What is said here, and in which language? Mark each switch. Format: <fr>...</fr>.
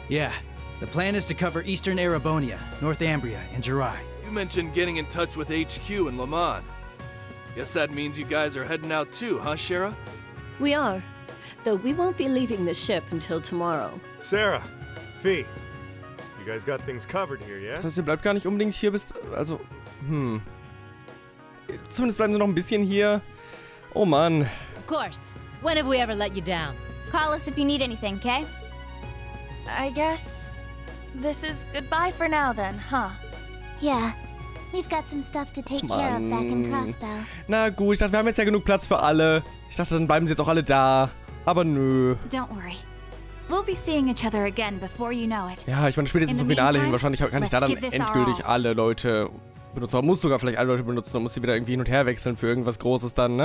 <en>Yeah, the plan is to cover Eastern Erebonia, Northumbria, and Jirai. You mentioned getting in touch with HQ in Laman. Guess that means you guys are heading out too, huh, Shara? We are. Though we won't be leaving the ship until tomorrow. Sarah, Fee, you guys got things covered here, yeah?</en> <de>Das heißt, ihr bleibt gar nicht unbedingt hier bis... Also, zumindest bleiben sie noch ein bisschen hier. Oh Mann.</de> <en>Of course. When have we ever let you down? Call us if you need anything, okay? I guess this is goodbye for now then, huh? Yeah. We've got some stuff to take care of back in Crossbell.</en> <de>Na gut, ich dachte, wir haben jetzt ja genug Platz für alle. Ich dachte, dann bleiben sie jetzt auch alle da. Aber nö.</de> <en>Don't worry. We'll be seeing each other again before you know it.</en> <de>Ja, ich meine, spätestens zum Finale hin. Wahrscheinlich kann ich da dann endgültig alle Leute benutzen. Man muss sogar vielleicht alle Leute benutzen und muss sie wieder irgendwie hin und her wechseln für irgendwas Großes dann, ne?</de>